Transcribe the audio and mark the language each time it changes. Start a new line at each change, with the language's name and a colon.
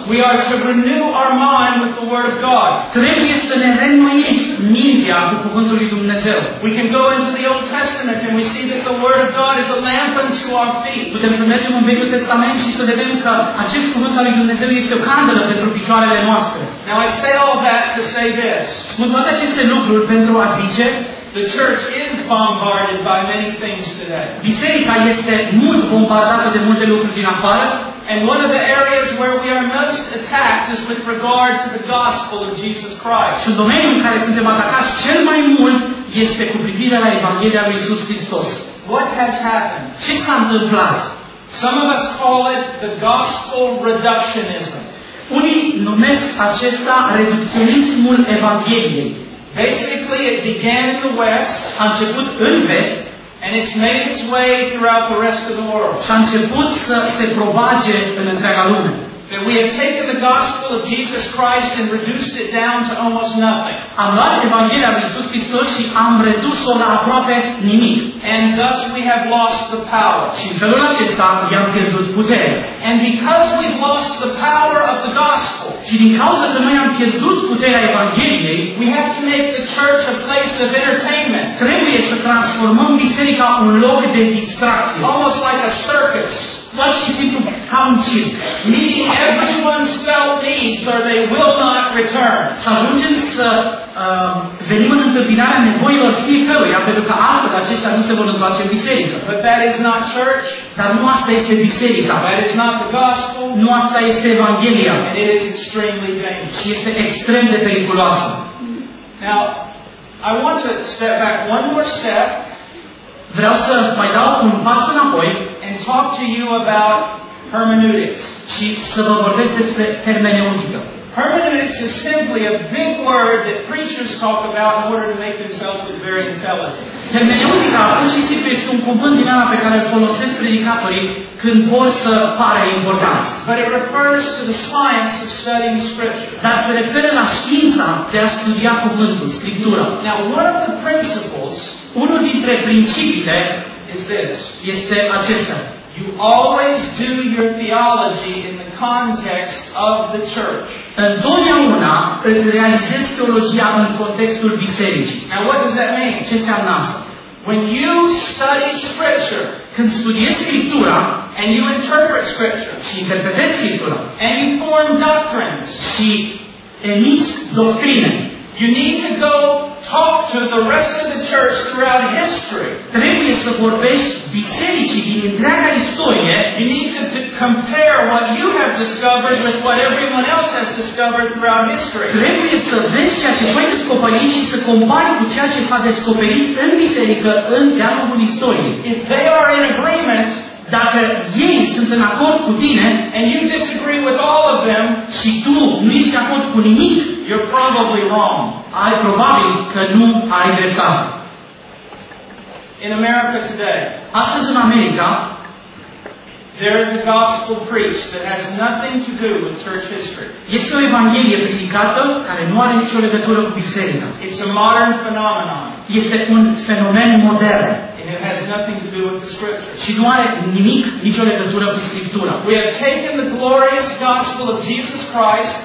English: We are to renew our mind with the word of God.
Romanian: Trebuie să ne renoim mintea cu cuvântul lui Dumnezeu.
English: We can go into the Old Testament and we see that the word of God is a lamp unto our feet.
Romanian: Putem să mergem în Vechiul Testament și să vedem că acest cuvânt al lui Dumnezeu este o candelă pentru picioarele noastre.
English: Now I say all that to say this.
Romanian: Spun toate aceste lucruri pentru a zice:
English: the church is bombarded by many things today.
Romanian: Biserica este mult bombardată de multe lucruri din afară.
English: And one of the areas where we are most attacked is with regard to the gospel of Jesus Christ.
Romanian: Și domeniul în care suntem atacați cel mai mult este cu privire la Evanghelia lui Iisus Hristos.
English: What has happened?
Romanian: Ce s-a întâmplat?
English: Some of us call it the gospel reductionism.
Romanian: Unii numesc acesta reducționismul Evangheliei.
English: Basically, it began in the West.
Romanian: A început în vest.
English: And it's made its way throughout the rest of the world.
Romanian: Și a început să se propage în întreaga lume.
English: That we have taken the gospel of Jesus Christ and reduced it down to almost nothing.
Romanian: Am luat Evanghelia lui Iisus Hristos și am redus-o la aproape nimic.
English: And thus we have lost the power.
Romanian: Și în felul acesta i-am pierdut puterea.
English: And because we've lost the power of the gospel.
Romanian: Și din cauza că noi am pierdut puterea Evangheliei,
English: we have to make the church a place of entertainment.
Romanian: Trebuie să transformăm biserica în loc de distracție.
English: Almost like a circus. What she did to count you. Meeting everyone's felt needs or they will not return.
Romanian: Să ajungem să venim în întâmpinarea nevoilor fiecăruia, pentru că altfel aceștia nu se vor întoarce în biserică.
English: But that is not church.
Romanian: Dar nu asta este biserica.
English: That is not the gospel.
Romanian: Nu asta este Evanghelia.
English: And it is extremely dangerous.
Romanian: Și este extrem de periculoasă.
English: Now, I want to step back one more step.
Romanian: Vreau să mai dau un pas înapoi.
English: And talk to you about hermeneutics.
Romanian: Și să vă vorbesc despre hermeneutică.
English: Hermeneutics is simply a big word that preachers talk about in order to make themselves look very intelligent.
Romanian: Hermeneutica, pur și simplu, este un cuvânt din ala pe care îl folosesc predicatorii când vor să pară importanți.
English: But it refers to the science of studying scripture.
Romanian: Dar se referă la știința de a studia cuvântul, scriptura.
English: Now, one of the principles,
Romanian: unul dintre principiile,
English: is this.
Romanian: Este acesta.
English: You always do your theology in the context of the church.
Romanian: Întotdeauna îți realizezi teologia în contextul bisericii.
English: And what does that mean?
Romanian: Ce înseamnă asta?
English: When you study scripture,
Romanian: când studiezi scriptura,
English: and you interpret scripture,
Romanian: și interpretezi scriptura,
English: and you form doctrines,
Romanian: și emiți doctrine,
English: you need to go talk to the rest of the church throughout history.
Romanian: Trebuie să vorbești bisericii din întreaga istorie.
English: You need to compare what you have discovered with what everyone else has discovered throughout history.
Romanian: Trebuie să vezi ceea ce voi descoperi și să compari cu ceea ce s-a descoperit în biserică în de-a lungul istoriei.
English: If they are in agreement,
Romanian: dacă ei sunt în acord cu tine,
English: and you disagree with all of them,
Romanian: și tu nu ești de acord cu nimic,
English: you're probably wrong.
Romanian: Ai probabil că nu ai dreptate.
English: In America today,
Romanian: astăzi în America,
English: there is a gospel preached that has nothing to do with church history.
Romanian: Este o evanghelie predicată care nu are nicio legătură cu biserica.
English: It's a modern phenomenon.
Romanian: Este un fenomen modern.
English: And it has nothing to do with the scripture.
Romanian: Și nu are nimic, nicio legătură cu scriptura.
English: We have taken the glorious gospel of Jesus Christ,